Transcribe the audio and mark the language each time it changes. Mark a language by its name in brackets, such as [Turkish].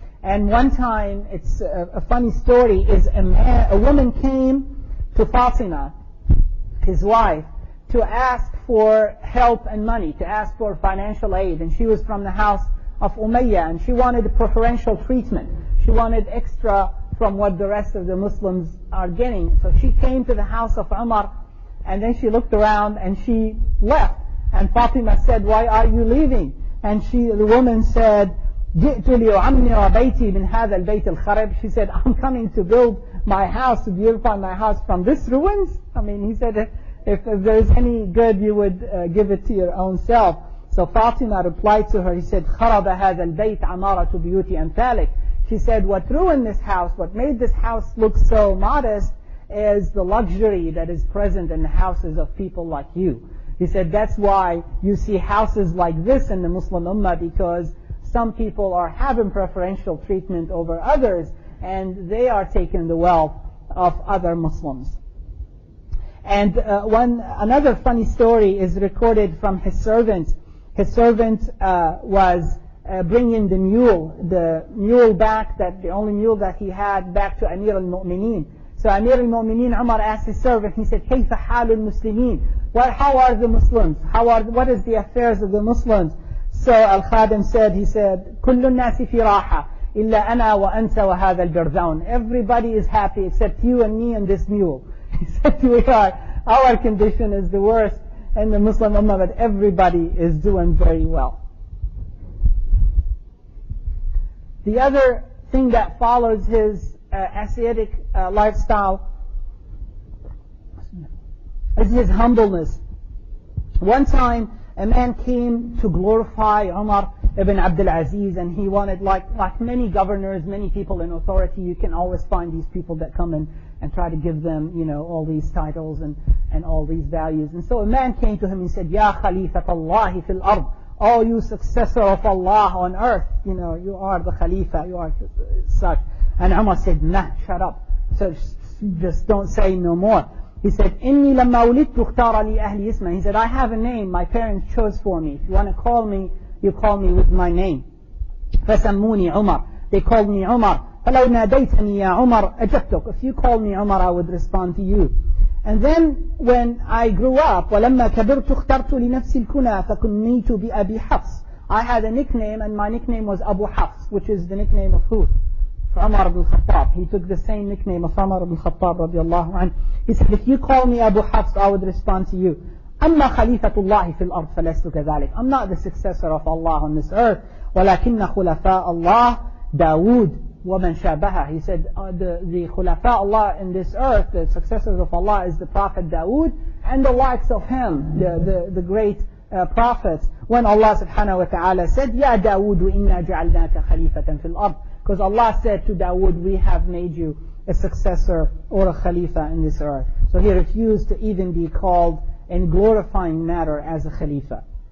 [English] And one time, it's a funny story, is a woman came to Fatima, his wife, to ask for help and money, to ask for financial aid. And she was from the house of Umayyah, and she wanted preferential treatment. She wanted extra from what the rest of the Muslims are getting. So she came to the house of Umar, and then she looked around and she left. And Fatima said, why are you leaving? [Arabic] And the woman said, جِئْتُ لِيُعَمِّرَ بَيْتِي مِنْ هَذَا الْبَيْتِ الْخَرَبِ. [English] She said, I'm coming to build my house, to beautify my house from this ruins. I mean, he said, if there is any good, you would give it to your own self. [Arabic] So Fatima replied to her, he said, خَرَبَ هَذَا الْبَيْتِ عَمَارَةُ بِيُوتِي أَمْثَالِكِ. [English] She said, what ruined this house, what made this house look so modest, is the luxury that is present in the houses of people like you. He said, that's why you see houses like this in the Muslim Ummah, because some people are having preferential treatment over others, and they are taking the wealth of other Muslims. And another funny story is recorded from his servant. His servant was bringing the mule back, that the only mule that he had, back to Amir al-Mu'mineen. So Amir al-Mu'mineen Umar asked his servant, he said, [Arabic] كيف حال المسلمين? [English] Well, how are the Muslims? What is the affairs of the Muslims? So Al-Khadim said, he said, [Arabic] كل الناس في راحة إلا أنا وأنت وهذا البرذون. [English] Everybody is happy except you and me and this mule. He said, our condition is the worst in the Muslim Ummah, but everybody is doing very well. The other thing that follows his ascetic lifestyle is his humbleness. One time, a man came to glorify Umar ibn Abdul Aziz, and he wanted, like many governors, many people in authority, you can always find these people that come in and try to give them, you know, all these titles and all these values. And so a man came to him and said, [Arabic] Ya Khalifat Allah fil ard, [English] oh, you successor of Allah on earth, you know, you are the Khalifa, you are such. And Umar said, nah, shut up. So just don't say no more. He said, [Arabic] إِنِّي لَمَّا وُلِدْتُ اخْتَارَ لِي أَهْلِ إِسْمَ. [English] He said, I have a name my parents chose for me. If you want to call me, you call me with my name. [Arabic] فَسَمُّونِي عُمَر. [English] They called me Umar. [Arabic] فَلَوْ نَادَيْتَنِي يَا عُمَر أَجَبْتُكُ. [English] If you call me Umar, I would respond to you. And then when I grew up, [Arabic] وَلَمَّا كَبِرْتُ اخْتَرْتُ لِنَفْسِ الْكُنَى فَكُنِّيتُ بِأَبِي حَفْص. [English] I had a nickname, and my nickname was Abu Hafs, which is the nickname of who? Umar ibn al-Khattab. He took the same nickname of Umar ibn al-Khattab radiallahu anhu. He said, if you call me Abu Hafs, I would respond to you. [Arabic] أما خليفة الله في الأرض فلست كذلك. [English] I'm not the successor of Allah on this earth. [Arabic] ولكن خلفاء الله داود ومن شابهه. [English] He said, the [Arabic] خلفاء الله [English] in this earth, the successors of Allah, is the Prophet Dawood and the likes of him, the great prophets. When Allah subhanahu wa ta'ala said, [Arabic] يا داود إنا جعلناك خليفة في الأرض. [English] Because Allah said to Dawood, we have made you a successor or a khalifa in this earth. So he refused to even be called in glorifying matter as a khalifa.